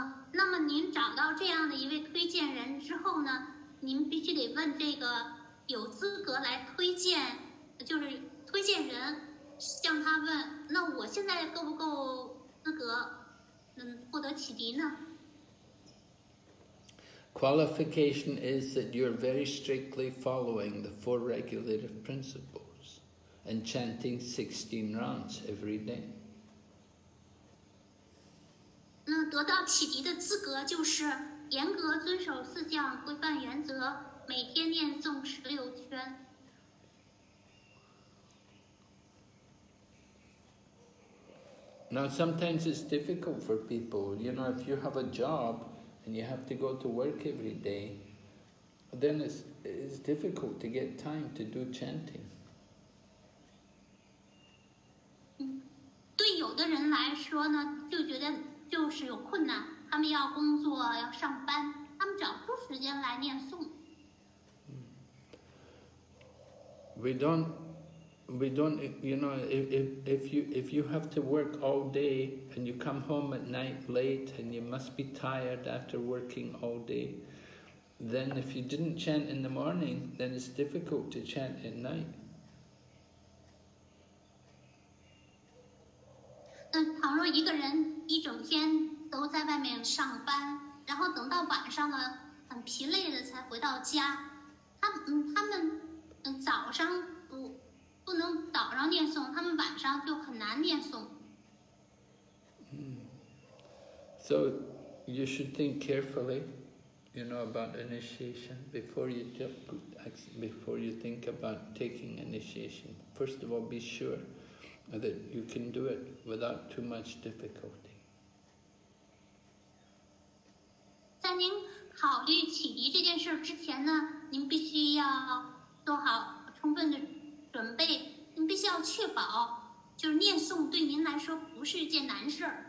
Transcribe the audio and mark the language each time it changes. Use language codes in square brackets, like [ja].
[zh] 那么您找到这样的一位推荐人之后呢，您必须得问这个有资格来推荐，就是推荐人，向他问，那我现在够不够资格，获得启迪呢？ [en] Qualification is that you're very strictly following the four regulative principles and chanting 16 rounds every day. [zh] 那得到启迪的资格就是严格遵守四项规范原则，每天念诵十六圈。 [en] Now sometimes it's difficult for people, you know, if you have a job and you have to go to work every day, then it's difficult to get time to do chanting. [zh] 对有的人来说呢，就觉得就是有困难，他们要工作，要上班，他们找不出时间来念诵。 [en] We don't, you know, if you have to work all day and you come home at night late and you must be tired after working all day, then if you didn't chant in the morning, then it's difficult to chant at night. [zh] 倘若一个人一整天都在外面上班，然后等到晚上了，很疲累的才回到家，他们早上不能早上念诵，他们晚上就很难念诵。 [en] So you should think carefully, you know, about initiation before you think about taking initiation. First of all, be sure. That you can do it without too much difficulty. [zh] 在您考虑启迪这件事之前呢，您必须要做好充分的准备。您必须要确保，就是念诵对您来说不是一件难事。